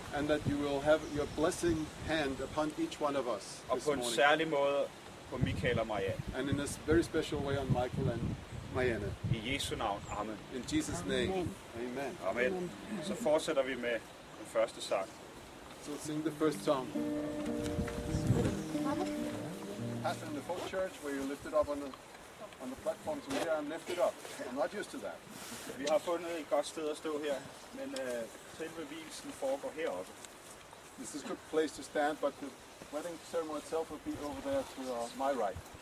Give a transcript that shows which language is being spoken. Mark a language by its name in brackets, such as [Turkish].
[English] And that you will have your blessing hand upon each one of us. [Danish] Og på en særlig måde på Michael og Marianne. [English] And in a very special way on Michael and Marianne. [Danish] I Jesu navn. Amen. [English] In Jesus' name. Amen. Amen. Amen. [Danish] Så fortsætter vi med den første sang. [English] So sing the first song. Pastor in the fourth church where you lifted up on the platform [Danish] som her [English] and lift it up. I'm not used to that. [Danish] Vi har fundet et godt sted at stå her, men selve vielsen foregår heroppe. [English] This is a good place to stand, but the wedding ceremony itself will be over there to my right.